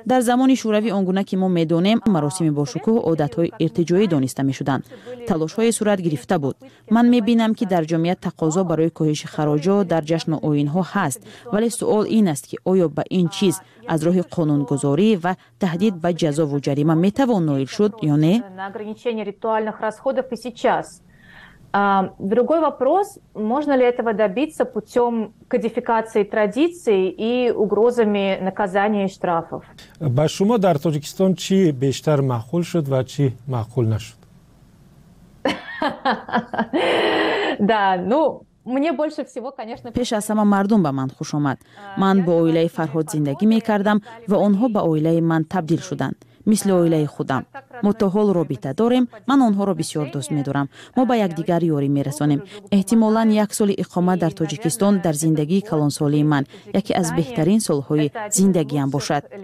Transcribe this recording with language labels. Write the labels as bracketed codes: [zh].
[fa] در زمان شوروی آنگونه که ما میدونیم، مراسم باشکوه عادت های ارتجایی دانسته میشدند. تلاش های صورت گرفته بود. من میبینم که در جمعیت تقاضا برای کاهش خراج ها در جشن و آیین ها هست، ولی سوال این است که آیا به این چیز از راه قانون گذاری و تهدید به جزا و جریمه می توان نائل شد یا نه؟ [ru] На ограничение ритуальных расходов и сейчас. Другой вопрос, можно ли этого добиться путем кодификации традиций и угрозами наказания и штрафов? [tg] Ба шумо дар Таҷикистон чи бештар маъқул шуд ва чи маъқул нашуд? [ru] Да, ну мне больше всего, конечно, [tg] пеша сама мардум ба ман хуш омад. Ман бо оилаи Фарҳод зиндагӣ мекардам ва онҳо ба оилаи ман табдил шуданд. [fa] مثل اویله خودم. ما تا حال رابطه داریم. من آنها را بسیار دوست می دارم. ما به یک دیگر یاری می رسانیم. احتمالاً یک سال اقامت در تاجیکستان در زندگی کلان سالی من یکی از بهترین سالهای زندگی هم باشد.